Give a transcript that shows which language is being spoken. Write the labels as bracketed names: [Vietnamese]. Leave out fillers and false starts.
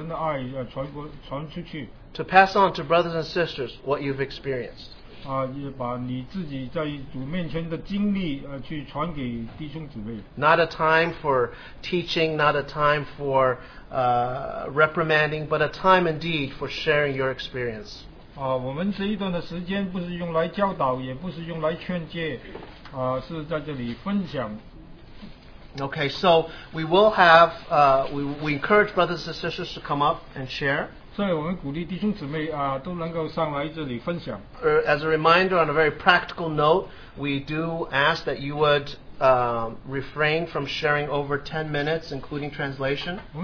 [Chinese] 今天这个自由交通的时间，我们可以把神的爱传出去。To [English] pass on to brothers and sisters what you've experienced. [Chinese] 也把你自己在主面前的经历去传给弟兄姊妹。Not [English] a time for teaching, not a time for reprimanding, but a time indeed for sharing your experience. [Chinese] 我们这一段的时间不是用来教导，也不是用来劝诫，是在这里分享。 [English] Okay, so we will have, we encourage brothers and sisters to come up and share. [Chinese] 所以我们鼓励弟兄姊妹都能够上来这里分享。 [English] As a reminder, on a very practical note, we do ask that you would refrain from sharing over 10 minutes, including translation.